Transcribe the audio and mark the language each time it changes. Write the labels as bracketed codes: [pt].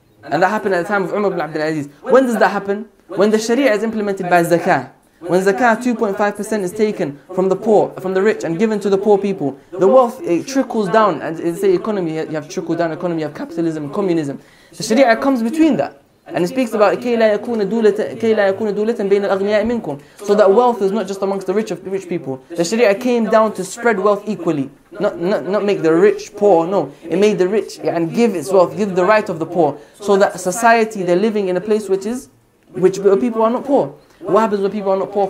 [en] And that happened at the time of Umar ibn Abdul Aziz. When does that happen? When the Sharia is implemented by Zakah. When Zakah 2.5% is taken from the poor, from the rich, and given to the poor people, the wealth, it trickles down. And in say economy, you have trickle down economy, you have capitalism, communism. The Sharia comes between that. [ar] And it speaks about كَيْ لَا يَكُونَ دُولَةً بَيْنَ الْأَغْنِيَاءِ مِنْكُمْ. [en] So that wealth is not just amongst the rich of rich people. The Sharia came down to spread wealth equally. Not make the rich poor, no. It made the rich and give its wealth, give the right of the poor. So that society, they're living in a place which people are not poor. What happens when people are not poor?